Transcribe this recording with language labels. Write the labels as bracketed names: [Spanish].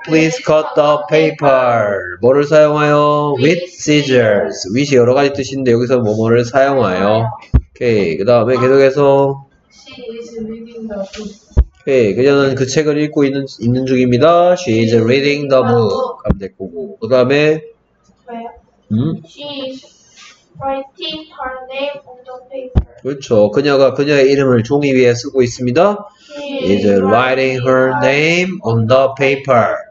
[English] Please cut the paper. [Korean] 뭐를 사용하여? [English] With scissors. [Korean] With이 여러 가지 뜻인데 여기서 뭐뭐를 사용하여. 오케이 그 다음에 계속해서 [English] She is reading the book. [Korean] 네, 그녀는 그 책을 읽고 있는 중입니다. [English] She is reading the book. [Korean] 하면 될 거고. 그 다음에 [English] She is writing her name on the paper. [Korean] 그쵸. 그녀가 그녀의 이름을 종이 위에 쓰고 있습니다. [English] She is writing her name on the paper.